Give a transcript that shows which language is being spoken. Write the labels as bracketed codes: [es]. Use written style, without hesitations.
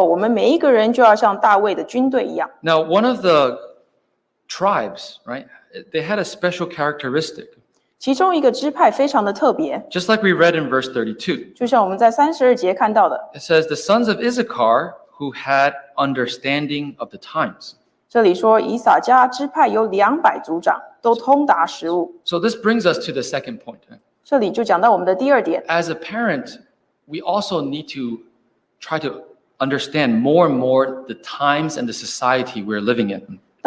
[zh] 今天我们来打这场属灵的战争的时候，我们每一个人就要像大卫的军队一样。 [en] Now, one of the tribes, right? They had a special characteristic. [zh] 其中一个支派非常的特别。 [en] Just like we read in verse 32. [zh] 就像我们在32节看到的。 [en] It says the sons of Issachar who had understanding of the times. [zh] 这里说以撒迦支派有200族长，都通达时务。 [en] So this brings us to the second point. [zh] 这里就讲到我们的第二点。 [en] As a parent, we also need to try to understand more and more the times and the society we're living in.